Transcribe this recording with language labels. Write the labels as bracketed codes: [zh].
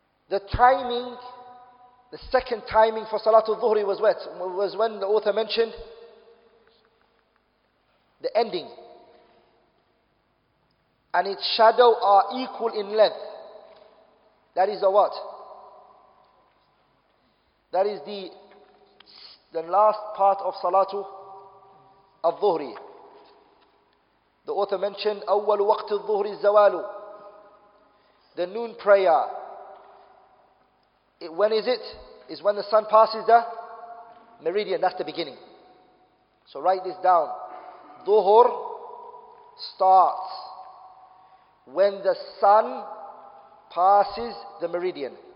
[en] The timing, the second timing for Salatul Dhuhri was when the author mentioned the ending, and its shadow are equal in length. That is the what? That is the last part of Salatu al-Dhuhri. The author mentioned [ar] أول وقت الظهر الزوال. [en] The noon prayer. When is it? Is when the sun passes the meridian, that's the beginning. So write this down. Dhuhr starts when the sun passes the meridian.